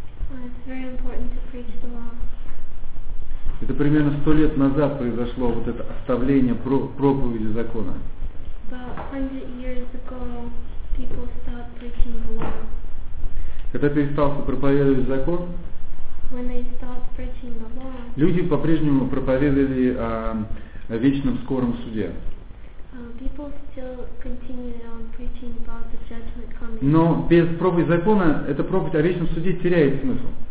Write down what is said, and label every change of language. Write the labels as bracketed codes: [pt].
[en] It's very important to preach the law. [ru] Это примерно 100 лет назад произошло вот это оставление проповеди закона. [en] About 100 years ago, people stopped preaching the law. [ru] Когда перестал проповедовать закон, [en] when they stopped preaching the law, [ru] люди по-прежнему проповедовали о вечном скором суде. [en] People still continued on preaching about the judgment coming. [ru] Но без проповеди закона эта проповедь о вечном суде теряет смысл.